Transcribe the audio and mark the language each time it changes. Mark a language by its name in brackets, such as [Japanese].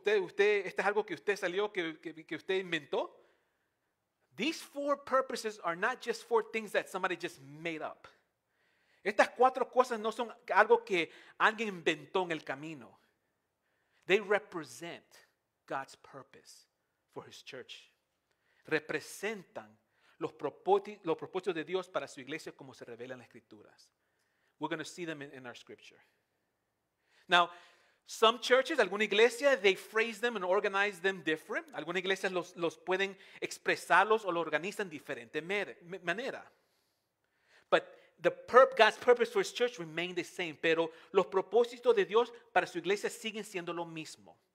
[Spanish] ¿Este es algo que usted salió, que usted inventó? [English] These four purposes are not just four things that somebody just made up. [Spanish] Estas cuatro cosas no son algo que alguien inventó en el camino. [English] They represent God's purpose for His church. [Spanish] representan los propósitos de Dios para su iglesia como se revela en las escrituras. [English] We're going to see them in our scripture. Now, some churches, [Spanish] alguna iglesia, [English] they phrase them and organize them different. [Spanish] Algunas iglesias los pueden expresarlos o lo organizan diferente manera. [English] But God's purpose for his church remain the same. [Spanish] Pero los propósitos de Dios para su iglesia siguen siendo lo mismo.